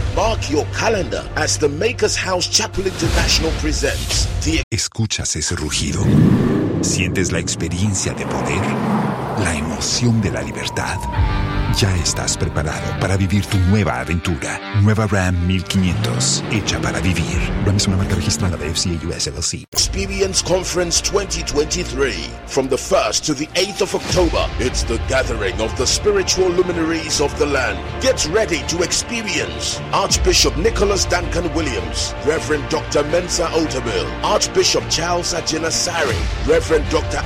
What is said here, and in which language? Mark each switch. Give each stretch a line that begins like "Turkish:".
English: Mark your calendar as the Maker's House Chapel International presents the...
Spanish: ¿Escuchas ese rugido? ¿Sientes la experiencia de poder? ¿La emoción de la libertad? Ya estás preparado para vivir tu nueva aventura. Nueva Ram 1500, hecha para vivir. Ram es una marca registrada de FCA US LLC.
English: Experience Conference 2023. From the 1st to the 8th of October, it's the gathering of the spiritual luminaries of the land. Get ready to experience Archbishop Nicholas Duncan Williams, Reverend Dr. Mensah Otterbill, Archbishop Charles Ajina Sari, Reverend Dr.